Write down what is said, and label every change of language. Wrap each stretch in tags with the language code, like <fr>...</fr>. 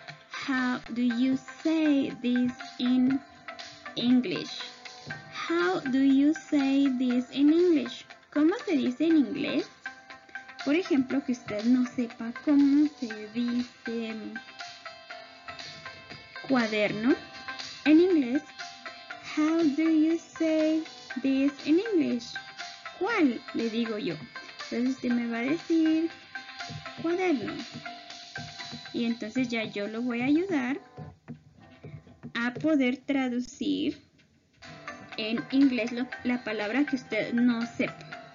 <en>How do you say this in English? How do you say this in English?</en> <es>¿Cómo se dice en inglés? Por ejemplo, que usted no sepa cómo se dice cuaderno en inglés.</es> <en>How do you say this in English?</en> <es>¿Cuál? Le digo yo. Entonces usted me va a decir cuaderno. Y entonces ya yo lo voy a ayudar a poder traducir en inglés la palabra que usted no sepa.</es>